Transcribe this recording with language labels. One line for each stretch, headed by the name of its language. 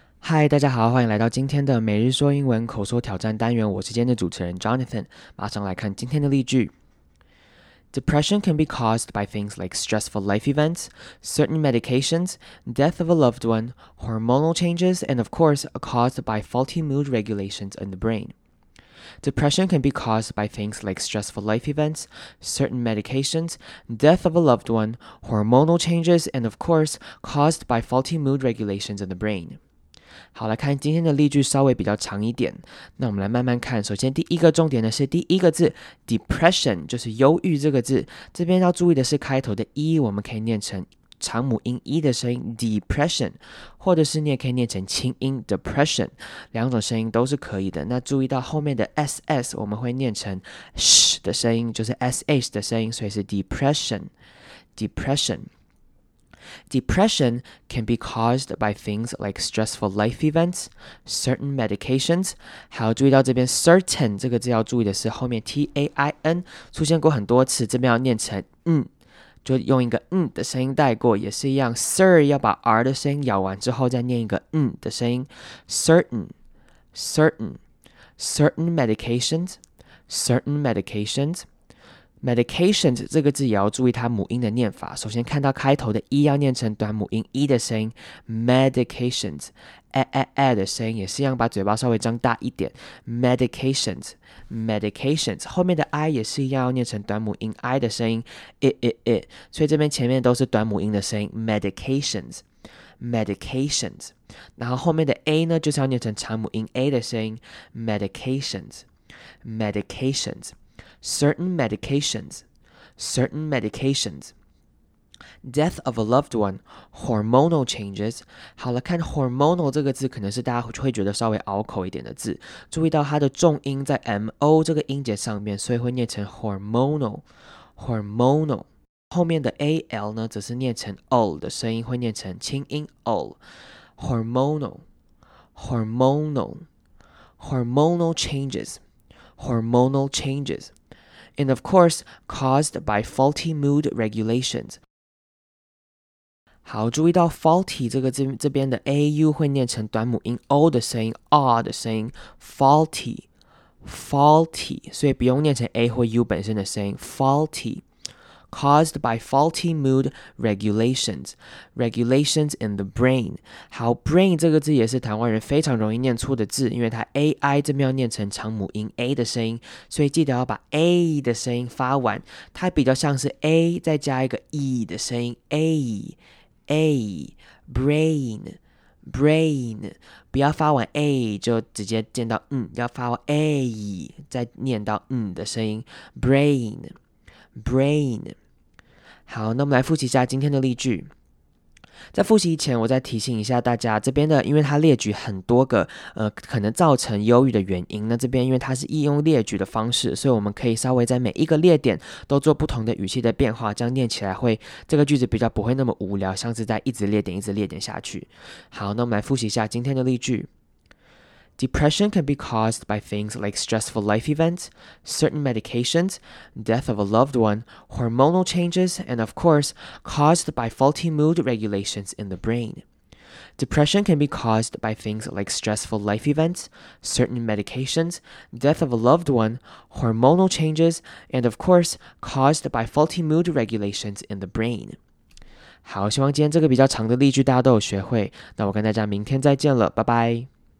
Chinese: 嗨，大家好，欢迎来到今天的每日说英文口说挑战单元，我是今天的主持人 Jonathan。马上来看今天的例句。
English: Depression can be caused by things like stressful life events, certain medications, death of a loved one, hormonal changes, and of course, caused by faulty mood regulations in the brain. Depression can be caused by things like stressful life events, certain medications, death of a loved one, hormonal changes, and of course, caused by faulty mood regulations in the brain.
Chinese: 好，来看今天的例句稍微比较长一点，那我们来慢慢看。首先第一个重点呢是第一个字 depression， 就是忧郁这个字。这边要注意的是开头的 e， 我们可以念成长母音一的声音 depression， 或者是你也可以念成轻音 depression， 两种声音都是可以的。那注意到后面的 ss， 我们会念成 sh 的声音，就是 sh 的声音，所以是 depression， depression。 Depression can be caused by things like stressful life events, certain medications. 好，注意到这边 certain 这个字要注意的是后面 tain 出现过很多次，这边要念成嗯。就用一个嗯的声音带过，也是一样 Sir 要把 R 的声音咬完之后再念一个嗯的声音。
English: Certain Certain Certain medications Certain medications Medications
Chinese: 这个字也要注意它母音的念法。首先看到开头的 E 要念成短母音 E 的声音 Medications AAA 的声音，也是一样把嘴巴稍微张大一点 Medications Medications 后面的 I 也是一样要念成短母音 I 的声音 IIIT， 所以这边前面都是短母音的声音 Medications
English: Medications，
Chinese: 然后后面的 A 呢就是要念成长母音 A 的声音
English: Medications Medications Certain medications Certain medicationsDeath of a loved one, hormonal changes.
Chinese: 好了，看 hormonal 这个字可能是大家会觉得稍微拗口一点的字，注意到它的重音在 mo 这个音节上面，所以会念成 hormonal, hormonal. 后面的 al 呢，则是念成 ol 的声音，会念成轻音 ol,
English: hormonal, hormonal, hormonal changes, hormonal changes, and of course caused by faulty mood regulations.
Chinese: 好，注意到 faulty 这个字，这边的 au 会念成短母音 o 的声音 ，r 的声音 ，faulty faulty， 所以不用念成 a 或 u 本身的声音 ，faulty
English: caused by faulty mood regulations regulations in the brain。
Chinese: 好 ，brain 这个字也是台湾人非常容易念错的字，因为它 ai 这边要念成长母音 a 的声音，所以记得要把 a 的声音发完，它比较像是 a 再加一个 e 的声音 a。 A brain brain， 不要发完 A 就直接见到嗯，要发完 A 再念到嗯的声音 brain brain。好，那我们来复习一下今天的例句。在复习前我再提醒一下大家，这边的因为它列举很多个可能造成忧郁的原因，那这边因为它是易用列举的方式，所以我们可以稍微在每一个列点都做不同的语气的变化，这样念起来会这个句子比较不会那么无聊，像是在一直列点一直列点下去。好，那我们来复习一下今天的例句。
English: Depression can be caused by things like stressful life events, certain medications, death of a loved one, hormonal changes, and of course, caused by faulty mood regulations in the brain. Depression can be caused by things like stressful life events, certain medications, death of a loved one, hormonal changes, and of course, caused by faulty mood regulations in the brain.
Chinese: 好，希望今天这个比较长的例句大家都有学会。那我跟大家明天再见了，拜拜。